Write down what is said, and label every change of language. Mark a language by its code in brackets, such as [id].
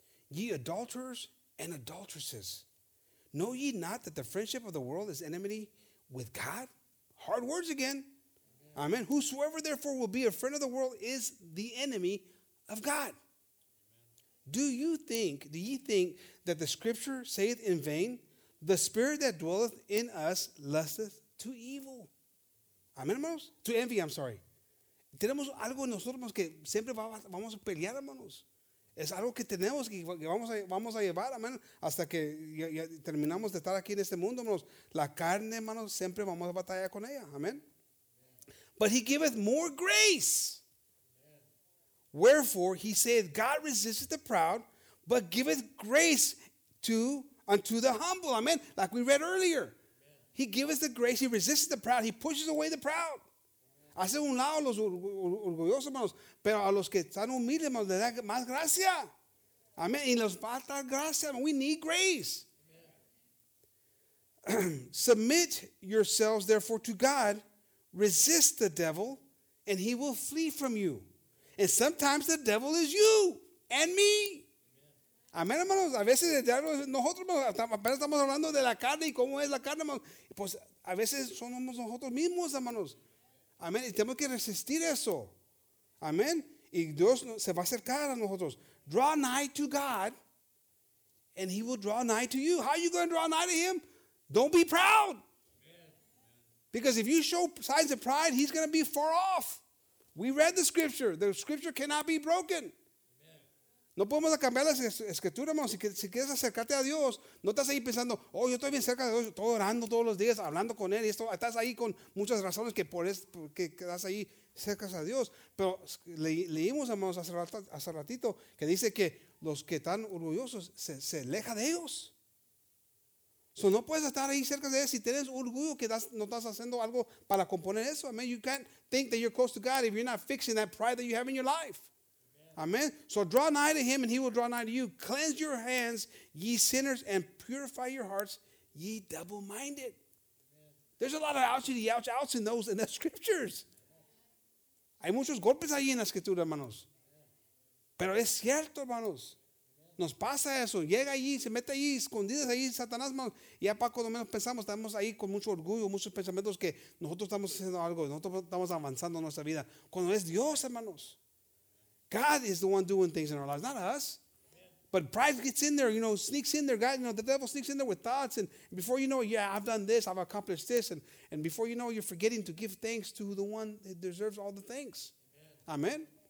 [en] Ye adulterers and adulteresses, know ye not that the friendship of the world is enmity with God? Hard words again. Amen. Whosoever therefore will be a friend of the world is the enemy of God. Do ye think that the scripture saith in vain, the spirit that dwelleth in us lusteth to evil? [es] Amén, hermanos. [en] To envy, I'm sorry. [es] Tenemos algo en nosotros, hermanos, que siempre vamos a pelear, hermanos. Es algo que tenemos que vamos a llevar, amén, hasta que ya terminamos de estar aquí en este mundo, hermanos. La carne, hermanos, siempre vamos a batallar con ella. [en] Amén. But he giveth more grace. Wherefore, he saith, God resisteth the proud, but giveth grace unto the humble. Amen. Like we read earlier. He giveth the grace. He resists the proud. He pushes away the proud. [es] Hace un lado los orgullosos, hermanos. Pero a los que están humildes, hermanos, le da más gracia. Amen. Y los va a dar gracia. [en] We need grace. Submit yourselves, therefore, to God. Resist the devil, and he will flee from you. And sometimes the devil is you and me. [es] Amén, hermanos. A veces el diablo, nosotros, hermanos, apenas estamos hablando de la carne y cómo es la carne, hermanos. Pues a veces somos nosotros mismos, hermanos. Amén. Y tenemos que resistir eso. Amén. Y Dios se va a acercar a nosotros. [en] Draw nigh to God, and he will draw nigh to you. How are you going to draw nigh to him? Don't be proud. Because if you show signs of pride, he's going to be far off. We read the scripture. The scripture cannot be broken. [es] No podemos cambiar la escritura, hermano. Si quieres acercarte a Dios, no estás ahí pensando, oh, yo estoy bien cerca de Dios, estoy orando todos los días, hablando con Él, y esto, estás ahí con muchas razones que por eso que quedas ahí cerca a Dios. Pero leímos, hermanos, hace ratito, que dice que los que están orgullosos se aleja de ellos. So no puedes estar ahí cerca de Él si tienes orgullo que no estás haciendo algo para componer eso. [en] I mean, you can't think that you're close to God if you're not fixing that pride that you have in your life. Amen. So draw nigh to him and he will draw nigh to you. Cleanse your hands, ye sinners, and purify your hearts, ye double-minded. Amen. There's a lot of ouchity, ouch, outs in those in the scriptures. [es] Hay muchos golpes ahí en la escritura, hermanos. Pero es cierto, hermanos. Nos pasa eso. Llega allí, se mete allí, escondidas ahí, Satanás, hermanos. Y ya para cuando menos pensamos, estamos ahí con mucho orgullo, muchos pensamientos que nosotros estamos haciendo algo, nosotros estamos avanzando en nuestra vida. Cuando es Dios, hermanos. [en] God is the one doing things in our lives, not us. But pride gets in there, you know, sneaks in there. God, you know, the devil sneaks in there with thoughts. And before you know, yeah, I've done this, I've accomplished this. And before you know, you're forgetting to give thanks to the one that deserves all the thanks. Amen.